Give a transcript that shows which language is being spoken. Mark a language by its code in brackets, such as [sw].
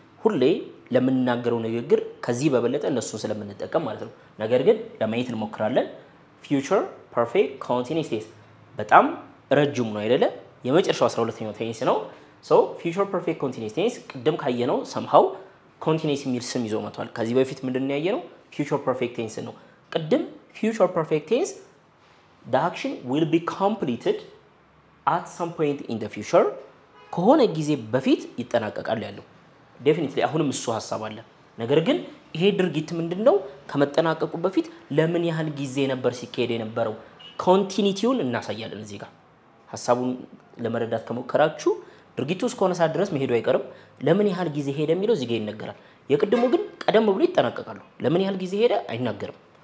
[am] ሁሌ ለምንናገረው ንግግር ከዚህ በበለጠ እነሱን ስለምንጠቀም ማለት ነው። ነገር ግን ለማየት እንሞክራለን። future perfect continuous tense በጣም ረጅም ነው አይደለ? የመጨረሻው 12ኛው tense ነው። so future perfect continuous tense ቅድም ካየነው somehow continuous የሚል ስም ይዞ መጥቷል። ከዚህ በፊት ምንድነው ያየነው? future perfect tense ነው። ቅድም future perfect tense [en] the action will be completed at some point in the future [am] ከሆነ ጊዜ በፊት ይጠናቀቃል ያለው definitely አሁንም እሱ ሐሳብ አለ። ነገር ግን ይሄ ድርጊት ምንድነው? ከመጠናቀቁ በፊት ለምን ያህል ጊዜ ነበር ሲካሄድ የነበረው? continuity-ውን እናሳያለን እዚህ ጋር። ሐሳቡን ለመረዳት ከመከራችሁ ድርጊቱ እስከሆነ ሰዓት ድረስ መሄዱ አይቀርም። ለምን ያህል ጊዜ ሄደ የሚለው እዚህ ጋር ይነገራል። የቅድሙ ግን ቀደም ብሎ ይጠናቀቃል። ለምን ያህል ጊዜ ሄደ አይናገርም።